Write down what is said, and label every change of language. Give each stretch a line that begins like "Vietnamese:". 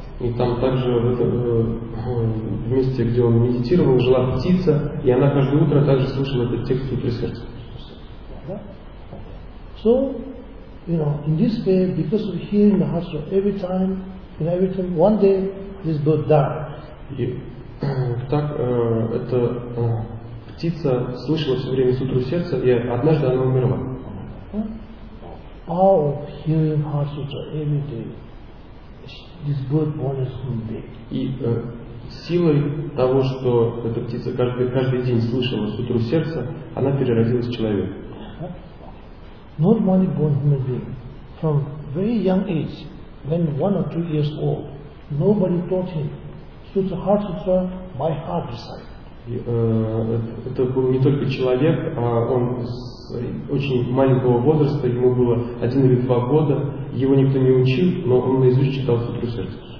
Russian: И там также в месте, где он медитировал, жила птица, и она каждое утро также слышала этот текст сутры сердца.
English: So, you know, in this way, because of hearing the Hatha Sutra every time, in every time, one day, this bird died.
Russian: И так эта птица слышала все время сутру сердца, и однажды она умерла.
English: Power of hearing Hatha Sutra every day. This bird born is human being.
Russian: И силой того, что эта птица каждый день слышала сутру сердца, она переродилась в человека.
English: Not only born human being. From very young age, when 1 or 2 years old. Nobody taught him. Sutra, Hatha Sutra, by heart recite.
Russian: Это был не только человек, а он с очень маленького возраста, ему было 1 или 2 года, его никто не учил, но он наизусть читал сутру сердца.